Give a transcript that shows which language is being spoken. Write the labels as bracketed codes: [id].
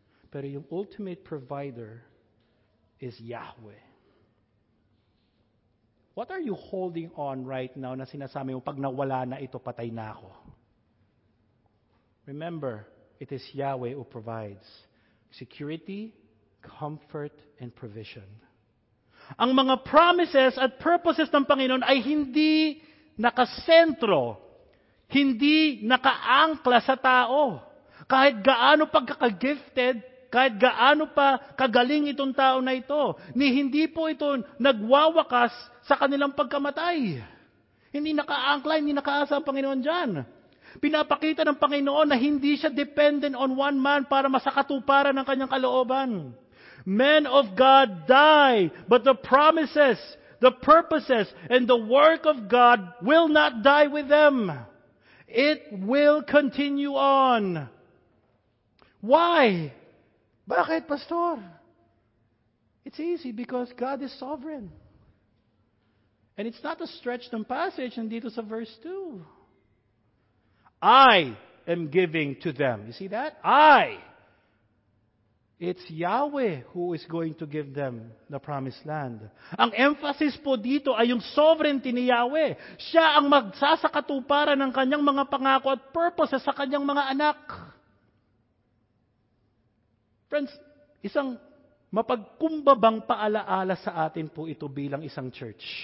[tl] Pero yung [en] ultimate provider is Yahweh. What are you holding on right now [tl] na sinasabi mo, pag nawala na ito, patay na ako? [en] Remember, it is Yahweh who provides security, comfort, and provision. [tl] Ang mga promises at purposes ng Panginoon ay hindi nakasentro, hindi nakaangkla sa tao. Kahit gaano pagkakagifted, kahit gaano pa kagaling itong tao na ito, ni hindi po ito nagwawakas sa kanilang pagkamatay. Hindi nakaangkla, hindi nakaasa ang Panginoon dyan. Pinapakita ng Panginoon na hindi siya dependent on one man para masakatuparan ang kanyang kalooban. [en] Men of God die, but the promises, the purposes, and the work of God will not die with them. It will continue on. Why? [tl] Bakit, [en] Pastor? It's easy because God is sovereign. And it's not a stretch ng passage [tl] nandito sa [en] verse 2. I am giving to them. You see that? I. It's Yahweh who is going to give them the promised land. [tl] Ang emphasis po dito ay yung sovereignty ni Yahweh. Siya ang magsasakatuparan ng kanyang mga pangako at purposes sa kanyang mga anak. Friends, isang mapagkumbabang paalaala sa atin po ito bilang isang church.